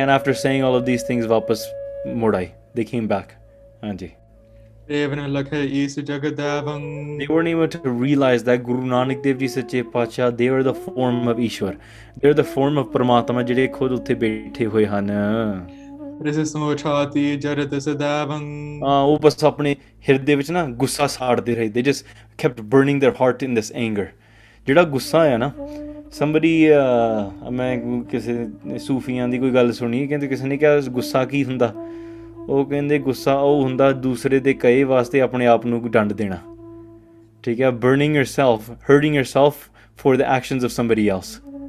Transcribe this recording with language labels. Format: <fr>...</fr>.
<en>and after saying all of these things</en> <pa>वापस मुड़ आई.</pa> <en>They came back.</en> <pa>हाँ जी.</pa> <bra>देवन लखे ईस जग</bra> <en>They देवंग। weren't able to realize that Guru Nanak Dev Ji सच्चे पातशाह they are the form of Ishwar. They are the form of Paramatma</en> <pa>जिहड़े खुद उत्थे बैठे हुए हन.</pa> <bra>ਸਮੋਛਾਤੀ ਜਰਤ ਸਦਾਵੰ।</bra> <pa>ਉਹ ਬਸ ਆਪਣੇ ਹਿਰਦੇ ਵਿੱਚ ਨਾ ਗੁੱਸਾ ਸਾੜਦੇ ਰਹੇ,</pa> <en>They just kept burning their heart in this anger.</en> <pa>ਜਿਹੜਾ ਗੁੱਸਾ ਆਇਆ ਨਾ, ਸੰਬੜੀ ਮੈਂ ਕਿਸੇ ਸੂਫੀਆਂ ਦੀ ਕੋਈ ਗੱਲ ਸੁਣੀ, ਕਹਿੰਦੇ ਕਿਸੇ ਨੇ ਕਿਹਾ ਗੁੱਸਾ ਕੀ ਹੁੰਦਾ, ਉਹ ਕਹਿੰਦੇ ਗੁੱਸਾ ਉਹ ਹੁੰਦਾ ਦੂਸਰੇ ਦੇ ਕਹੇ ਵਾਸਤੇ ਆਪਣੇ ਆਪ ਨੂੰ ਡੰਡ ਦੇਣਾ, ਠੀਕ ਹੈ,</pa> <en>Burning yourself, hurting yourself for the actions of somebody else.</en>